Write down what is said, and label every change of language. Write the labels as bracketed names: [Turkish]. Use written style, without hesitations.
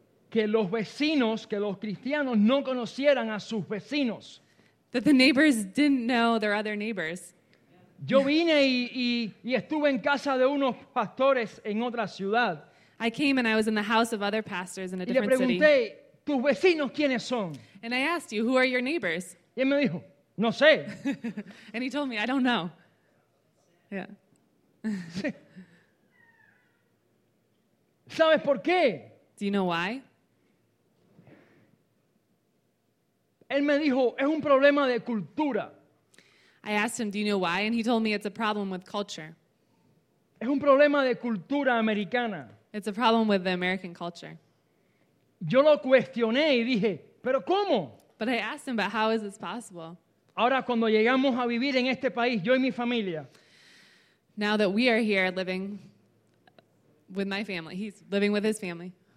[Spanish] Que los vecinos, que los cristianos no conocieran a sus vecinos. [English] That the neighbors didn't know their other neighbors. [Spanish] Yo vine y estuve en casa de unos pastores en otra ciudad. [English] I came and I was in the house of other pastors in a different [Spanish] city. Y le pregunté, ¿tus vecinos quiénes son? [English] And I asked you, who are your neighbors? [Spanish] Y él me dijo, no sé. [English] And he told me, I don't know. Yeah. [Spanish] ¿Sabes por qué? [English] Do you know why? [Spanish] Él me dijo, es un problema de cultura. [English] I asked him, do you know why? And he told me it's a problem with culture. [Spanish] Es un problema de cultura americana. [English] It's a problem with the American culture. [Spanish] Yo lo cuestioné y dije, ¿pero cómo? [English] But I asked him, but how is this possible? [Spanish] Ahora, cuando llegamos a vivir en este país, yo y mi familia. [English] Now that we are here living with my family, he's living with his family.